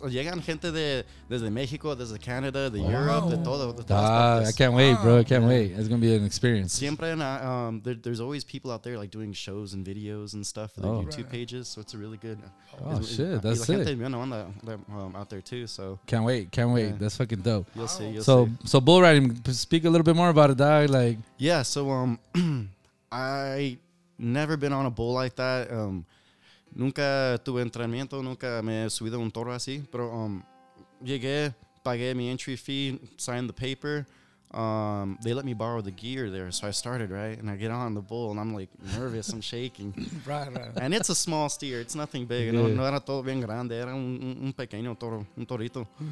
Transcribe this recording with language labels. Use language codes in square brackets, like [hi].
[es] Llegan gente desde México, desde Canada, de Europe, de todo. [en] I can't wait, bro. I can't wait. It's going to be an experience. [es] Siempre, [en] there's always people out there like doing shows and videos and stuff for their YouTube pages. So it's a really good. Shit. That's sick. [es] Gente, [en] you know, out there too. So. Can't wait. Yeah. That's fucking dope. You'll see. So bull riding, speak a little bit more about it, dog. Like. Yeah. So I never been on a bull like that. [es] Nunca tuve entrenamiento, nunca me he subido un toro así. Pero llegué, pagué mi [en] entry fee, signed the paper. They let me borrow the gear there, so I started, right? And I get on the bull, and I'm like nervous, I'm shaking. Right. And it's a small steer, it's nothing big. Yeah. [es] No era todo bien grande, era un pequeño toro, un torito.